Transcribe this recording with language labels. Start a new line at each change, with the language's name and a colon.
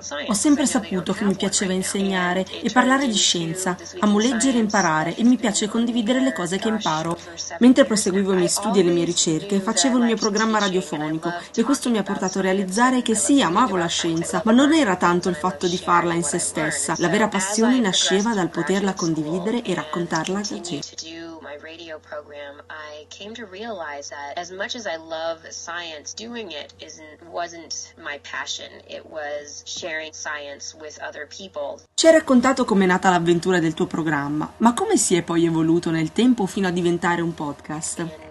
Italian: Ho sempre saputo che mi piaceva insegnare e parlare di scienza, amo leggere e imparare e mi piace condividere le cose che imparo. Mentre proseguivo i miei studi e le mie ricerche, facevo il mio programma radiofonico e questo mi ha portato a realizzare che sì, amavo la scienza, ma non era tanto il fatto di farla in se stessa. La vera passione nasceva dal poterla condividere e raccontarla a te.
English: Radio program, I came to realize that as much as I love science, doing it wasn't my passion. It was sharing science with other people.
Italian: Ci hai raccontato com'è nata l'avventura del tuo programma, ma come si è poi evoluto nel tempo fino a diventare un podcast?